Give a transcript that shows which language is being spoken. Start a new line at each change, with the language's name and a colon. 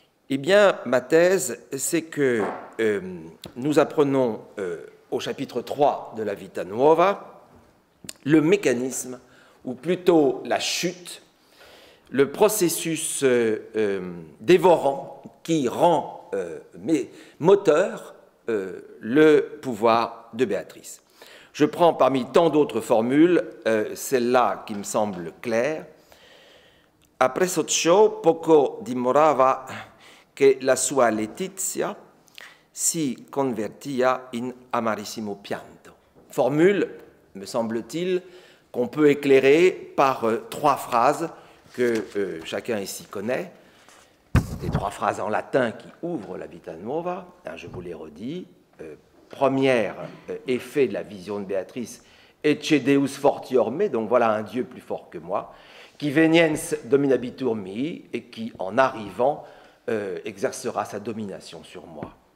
French: Eh bien, ma thèse, c'est que nous apprenons au chapitre 3 de la Vita Nuova le mécanisme, ou plutôt la chute, le processus dévorant qui rend moteur le pouvoir de Béatrice. Je prends parmi tant d'autres formules celle-là qui me semble claire. « Après
Italian: ciò, poco dimorava... » che la sua letizia si convertia in amarissimo pianto.
French: Formule, me semble-t-il, qu'on peut éclairer par trois phrases que chacun ici connaît. Des trois phrases en latin qui ouvrent la Vita Nuova. Je vous les redis. Première effet de la vision de Béatrice, «
Latin: Ecce Deus fortior me
French: », donc voilà un Dieu plus fort que moi, «
Latin: qui veniens dominabitur mi
French: » et qui, en arrivant, exercera sa domination sur moi.